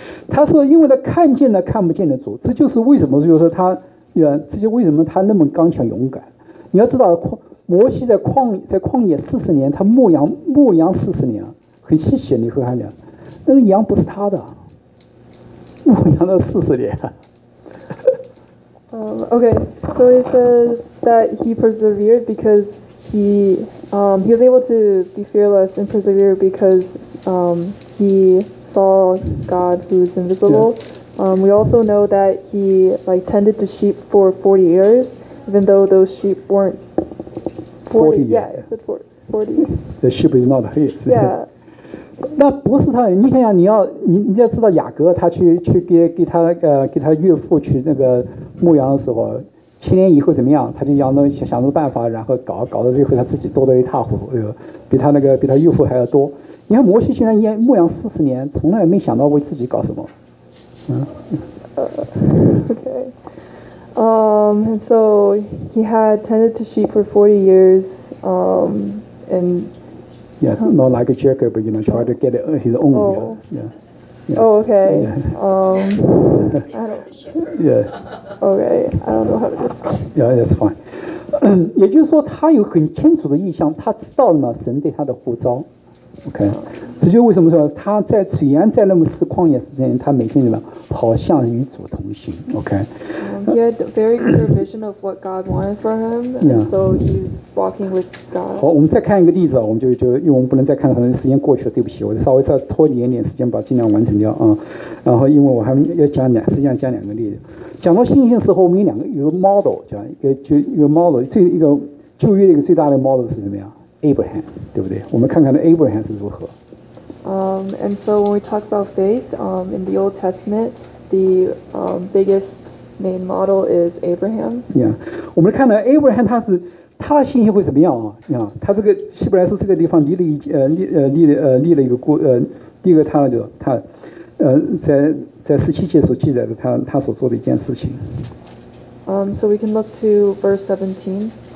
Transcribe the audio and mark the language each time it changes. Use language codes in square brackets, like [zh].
[zh] 他说因为他看见了看不见的主，这就是为什么，就是他，这就为什么他那么刚强勇敢。你要知道，摩西在旷野40年，他牧羊40年，很稀奇，你会看见，那个羊不是他的，牧羊了40年。 [en] Okay, so he says that he persevered because he was able to be fearless and persevere because he saw God who is invisible. We also know that he like tended to sheep for 40 years, even though those sheep weren't. 40 years. Yeah, it said 40. The sheep is not his. Yeah. [zh] 那不是他的，你想想，你要知道雅各他去给他岳父去那个牧羊的时候，7年以后怎么样？他就想着办法，然后搞到最后他自己多得一塌糊涂，比他岳父还要多。你看摩西竟然牧羊40年，从来没想到为自己搞什么。 [en] And so he had tended to sheep for 40 years, not like Jacob, but, try to get his own. Oh, yeah. Yeah. Oh, okay. Yeah. Okay, I don't know how to describe. Yeah, that's fine. [zh] 也就是说他有很清楚的意向，他知道了神对他的呼召。 OK， 这就为什么说他在虽然在那么旷野时间，他每天怎么好像与主同行。 [en] OK， He had a very clear vision of what God wanted for him, and S 2> so he's walking with God. [zh] 好，我们再看一个例子，我们就因为我们不能再看，可能时间过去了，对不起，我稍微再拖延点时间，把尽量完成掉啊、嗯。然后因为我还要讲两，实际上讲两个例子。讲到信心的时候，我们有两个有个 model， 讲一个就一个 model， 最一个旧约一个最大的 model 是什么呀？Abraham, 对不对？我们看看 Abraham 是如何。 [en] And so when we talk about faith, in the Old Testament, the biggest main model is Abraham. [zh] Yeah, 我们看到 Abraham 他的信心会怎么样啊？你看他这个希伯来书这个地方立了一个故第一个他就他在17节所记载的他所做的一件事情。 [en] So we can look to verse 17.